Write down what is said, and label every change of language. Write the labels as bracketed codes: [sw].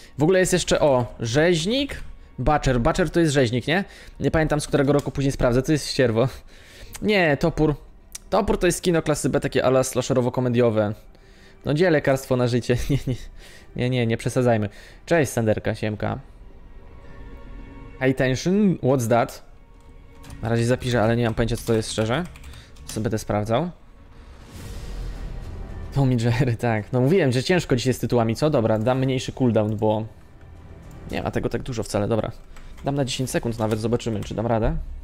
[pl] W ogóle jest jeszcze, o, rzeźnik? Butcher, Butcher to jest rzeźnik, nie? Nie pamiętam, z którego roku, później sprawdzę, to jest ścierwo. Nie, topór. Topór to jest kino klasy B, takie ala slasherowo-komediowe. No gdzie lekarstwo na życie? Nie przesadzajmy. Cześć, Senderka, siemka. [en] High tension, what's that? [pl] Na razie zapiszę, ale nie mam pojęcia, co to jest, szczerze. Co będę sprawdzał. Tom i Jerry, tak. No mówiłem, że ciężko dzisiaj z tytułami, co? Dobra, dam mniejszy cooldown, bo... Nie ma tego tak dużo wcale, dobra. Dam na 10 sekund nawet, zobaczymy, czy dam radę.